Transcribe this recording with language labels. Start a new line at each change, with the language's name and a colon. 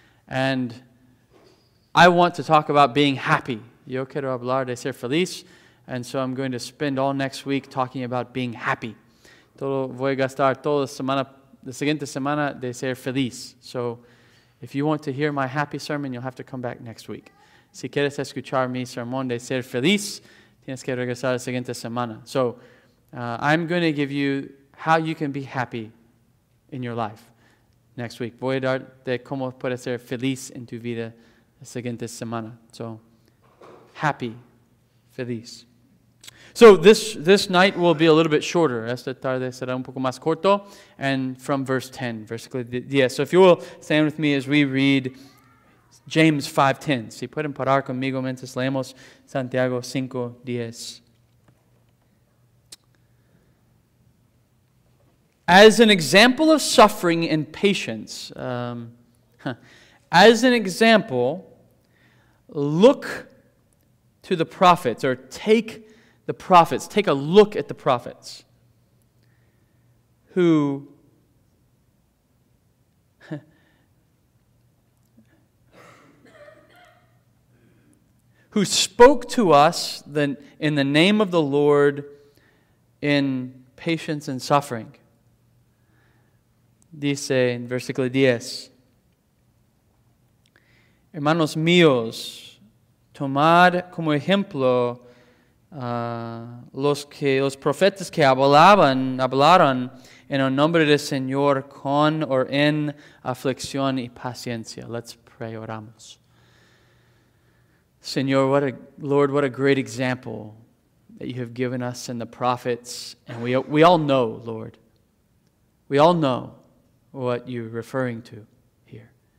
English: And I want to talk about being happy.
Spanish: Yo quiero hablar de ser feliz.
English: And so I'm going to spend all next week talking about being happy.
Spanish: Voy a gastar toda la siguiente semana de ser feliz.
English: So if you want to hear my happy sermon, you'll have to come back next week.
Spanish: Si quieres escuchar mi sermón de ser feliz, tienes que regresar la siguiente semana.
English: So, I'm going to give you how you can be happy in your life next week.
Spanish: Voy a darte cómo puedes ser feliz en tu vida la siguiente semana.
English: So, happy, feliz. So, this night will be a little bit shorter.
Spanish: Esta tarde será un poco más corto.
English: And from verse 10,
Spanish: versículo 10.
English: So, if you will, stand with me as we read James 5:10.
Spanish: Si pueden parar conmigo mientras leemos Santiago 5:10.
English: As an example of suffering and patience, as an example, look to the prophets, or take the prophets, take a look at the prophets who who spoke to us in the name of the Lord in patience and suffering.
Spanish: Dice in versículo 10, hermanos míos, tomad como ejemplo los profetas que hablaron en el nombre del Señor con o en aflicción y paciencia.
English: Let's pray, oramos. Señor, what a great example that you have given us in the prophets. And we all know, Lord, we all know what you're referring to here.